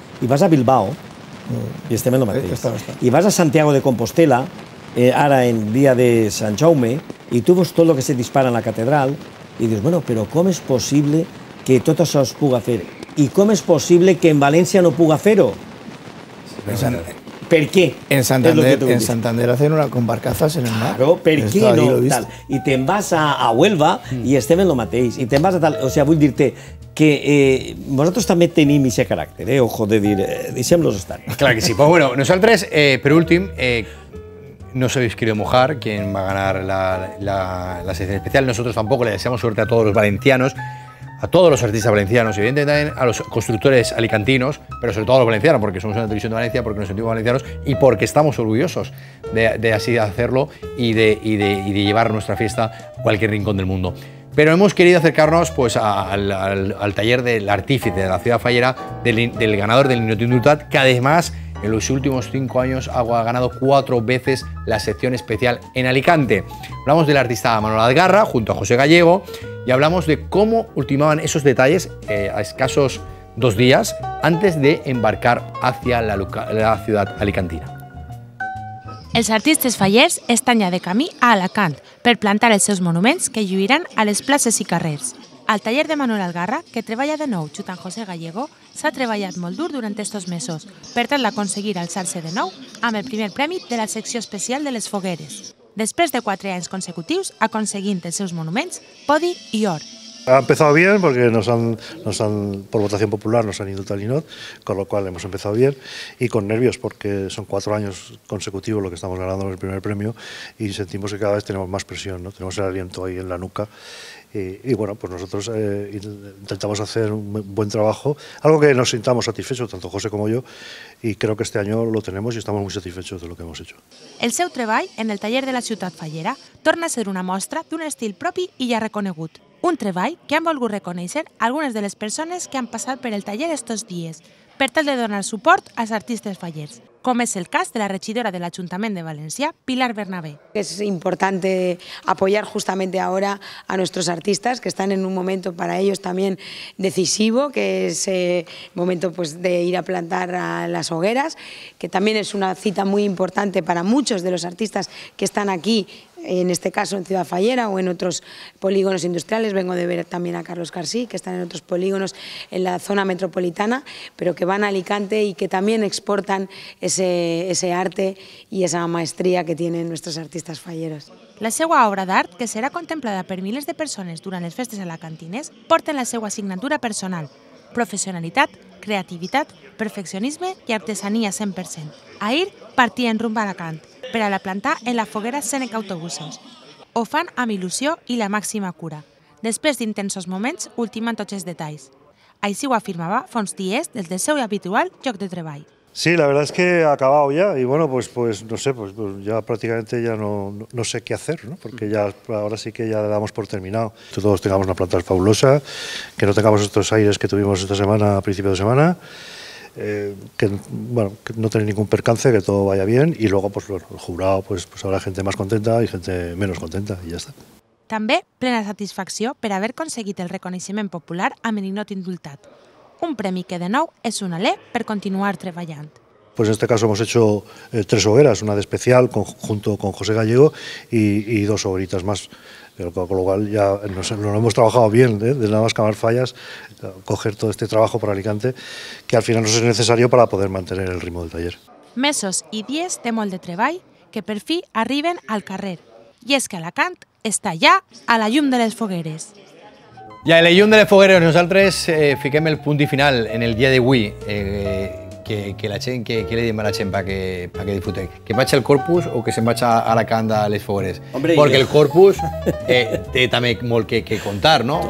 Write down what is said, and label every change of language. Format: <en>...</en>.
<ca>I vas a Bilbao, i estem en lo mateix. I vas a Santiago de Compostela, ara en dia de Sant Jaume, i tu veus tot el que se dispara en la catedral, i dius, bueno, però com és possible que tot això es puga fer? I com és possible que en València no puga fer-ho? Per què?</ca> <es>En Santander hacen una con barcazas en el mar.</es> <ca>Claro, per què no? I te'n vas a Huelva i estem en lo mateix. I te'n vas a tal...</ca> <es>O sea,</es> <ca>vull dir-te que vosaltres també tenim aquest caràcter, ojo de dir, deixem-los estar. Clar que sí.</ca> <es>Pues bueno,</es> <ca>nosaltres, per últim,</ca> <es>no se habéis querido mojar quién va a ganar la sección especial. Nosotros tampoco, le deseamos suerte a todos los valencianos, a todos los artistas valencianos, evidentemente también a los constructores alicantinos, pero sobre todo a los valencianos, porque somos una televisión de Valencia, porque nos sentimos valencianos y porque estamos orgullosos de así hacerlo y de llevar nuestra fiesta a cualquier rincón del mundo. Pero hemos querido acercarnos pues, al taller del artífice de la ciudad fallera, del ganador del Niño Tindultat, que además en los últimos 5 años ha ganado 4 veces la sección especial en Alicante. Hablamos del artista Manuel Algarra junto a José Gallego y hablamos de cómo ultimaban esos detalles a escasos 2 días antes de embarcar hacia la ciudad alicantina.</es> <ca>Els artistes fallers estan ja de camí a Alacant per plantar els seus monuments que lluiran a les places i carrers. El taller de Manuel Algarra, que treballa de nou junt amb José Gallego, s'ha treballat molt dur durant aquests mesos per tal d'aconseguir alçar-se de nou amb el primer premi de la secció especial de les fogueres. Després de 4 anys consecutius, aconseguint els seus monuments, podi i or.</ca> <es>Ha empezado bien porque nos han por votación popular nos han ido tal y no, con lo cual hemos empezado bien y con nervios porque son 4 años consecutivos lo que estamos ganando en el primer premio y sentimos que cada vez tenemos más presión, ¿no? Tenemos el aliento ahí en la nuca y bueno, pues nosotros intentamos hacer un buen trabajo, algo que nos sintamos satisfechos, tanto José como yo, y creo que este año lo tenemos y estamos muy satisfechos de lo que hemos hecho.</es> <ca>El seu treball en el taller de la ciutat fallera torna a ser una mostra d'un estil propi i ja reconegut. Un treball que han volgut reconèixer algunes de les persones que han passat per el taller estos dies, per tal de donar suport als artistes fallers, com és el cas de la regidora de l'Ajuntament de València, Pilar Bernabé. És important apoyar justament ara a nostres artistes, que estan en un moment per a ells també decisiu, que és el moment d'anar a plantar a les hogueres, que també és una cita molt important per a molts dels artistes que estan aquí,</ca> <es>en este caso en Ciudad Fallera o en otros polígonos industriales. Vengo de ver también a Carlos Carsí, que están en otros polígonos en la zona metropolitana, pero que van a Alicante y que también exportan ese arte y esa maestría que tienen nuestros artistas falleros.</es> <ca>La seua obra d'art, que serà contemplada per milers de persones durant les festes alacantines, porta la seua signatura personal: professionalitat, creativitat, perfeccionisme i artesania 100%. Ahir partien rumb a Alacant per a la plantar en la foguera Seneca Autobusos. Ho fan amb il·lusió i la màxima cura, després d'intensos moments ultimant tots els detalls. Així ho afirmava fa uns dies des del seu habitual lloc de treball.</ca> <es>Sí, la verdad es que ha acabado ya y bueno, pues no sé, pues ya prácticamente ya no sé qué hacer, ¿no? Porque ya ahora sí que ya le damos por terminado. Que todos tengamos una planta fabulosa, que no tengamos estos aires que tuvimos esta semana, a principio de semana, que no tenga ningún percance, que todo vaya bien y luego, pues bueno, el jurado, pues habrá gente más contenta y gente menos contenta y ya está.</es> <ca>També plena satisfacció per haver aconseguit el reconeixement popular a Meninot Indultat. Un premi que, de nou, és un alé per continuar treballant.</ca> <es>Pues en este caso hemos hecho tres hogueras, una de especial junto con José Gallego y dos hogueritas más, con lo cual ya nos hemos trabajado bien, de nada más cavar fallas, coger todo este trabajo para Alicante, que al final no es necesario para poder mantener el ritmo del taller.</es> <ca>Mesos</ca> <es>y días</es> <ca>de molt de treball que per fi arriben al carrer.</ca> <es>Y es que Alacant está ya</es> <ca>a la llum de les fogueres. Ya, a la llum de les fogueres, nosaltres fiquem el punt final en el dia de avui. Que la gent, que li diem a la gent perquè disfruteu? Que vagi al Corpus o que se'n vagi a Alacant a les fogueres?</ca> <es>Hombre,</es> <ca>perquè el Corpus té també molt que contar, no?</ca>